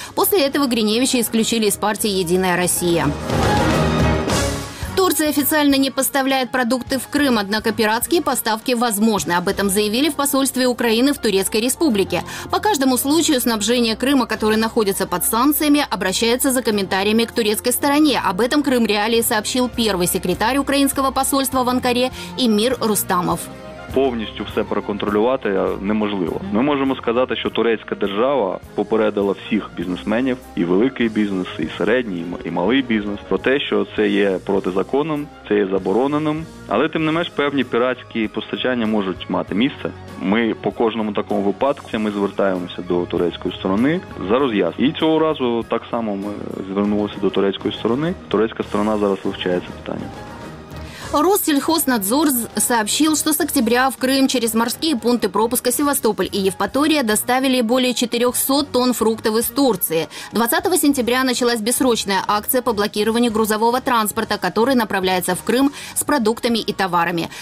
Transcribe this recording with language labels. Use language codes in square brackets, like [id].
[ru] После этого Гриневича исключили из партии «Единая Россия». Турция официально не поставляет продукты в Крым, однако пиратские поставки возможны. Об этом заявили в посольстве Украины в Турецкой Республике. По каждому случаю снабжение Крыма, который находится под санкциями, обращается за комментариями к турецкой стороне. Об этом Крым Реалии сообщил первый секретарь украинского посольства в Анкаре Эмир Рустамов. [uk] Повністю все проконтролювати неможливо. Ми можемо сказати, що турецька держава попередила всіх бізнесменів, і великий бізнес, і середній, і малий бізнес, про те, що це є протизаконним, це є забороненим. Але, тим не менш, певні піратські постачання можуть мати місце. Ми по кожному такому випадку ми звертаємося до турецької сторони за роз'яснення. І цього разу так само ми звернулися до турецької сторони. Турецька сторона зараз вивчає це питання. [ru] Россельхознадзор сообщил, что с октября в Крым через морские пункты пропуска Севастополь и Евпатория доставили более 400 тонн фруктов из Турции. 20 сентября началась бессрочная акция по блокированию грузового транспорта, который направляется в Крым с продуктами и товарами.